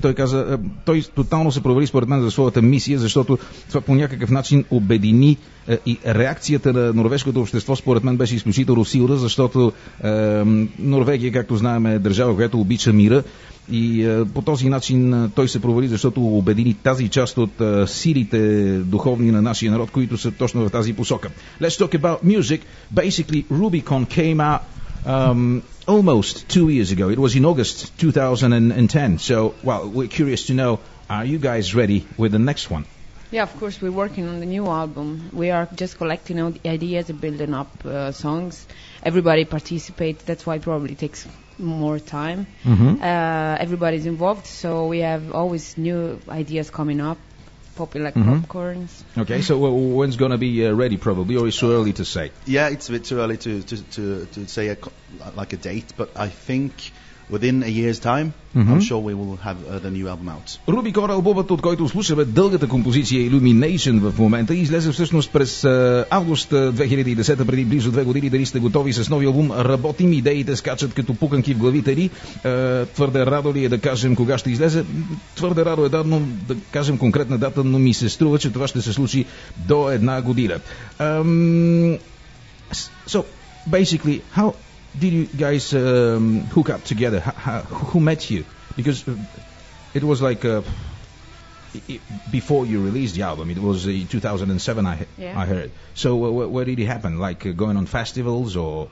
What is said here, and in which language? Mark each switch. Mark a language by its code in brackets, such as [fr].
[bg] Той каза, той тотално се провали според мен за своята мисия, защото това по някакъв начин обедини и реакцията на норвежкото общество според мен беше изключително силна, защото Норвегия, както знаем, е държава, която обича мира и по този начин той се провали, защото обедини тази част от силите духовни на нашия народ, които са точно в тази посока. [en] Let's talk about music. Basically, Rubicon came out almost 2 years ago. It was in August 2010. So, well, we're curious to know, are you guys ready with the next one? Yeah, of course, we're working on the new album. We are just collecting all the ideas and building up songs. Everybody participates. That's why it probably takes more time. Mm-hmm. Everybody's involved, so we have always new ideas coming up, popular mm-hmm. popcorns. Okay, so when's going to be ready, probably, or is it too early to say? Yeah, it's a bit too early to say a date, but I think... Within a year's time, mm-hmm. I'm sure we will have the new album out. [bg] Rubicon, албумът, от който слушаме дългата композиция Illumination в момента, излезе всъщност през август 2010, преди близо 2 години. Дали сте готови с нови албум? Работим, идеите скачат като пуканки в главите ни. Твърде радо ли е да кажем кога ще излезе? Твърде радо е да, но да кажем конкретна дата, но ми се струва, че това ще се случи до една година. [en] So, basically, how... Did you guys hook up together? Who met you? Because it was like before you released the album. It was 2007, I heard. So where did it happen? Like going on festivals or...